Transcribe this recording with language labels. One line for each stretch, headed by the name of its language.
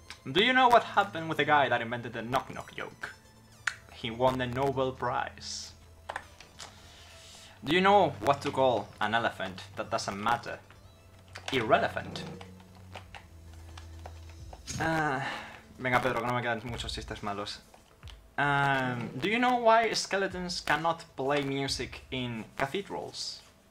English: Do you know what happened with the guy that invented the knock-knock joke? He won the Nobel Prize. Do you know what to call an elephant that doesn't matter? Irrelevant.
Spanish: Venga, Pedro, que no me quedan muchos chistes malos.
English: Do you know why skeletons cannot play music in cathedrals?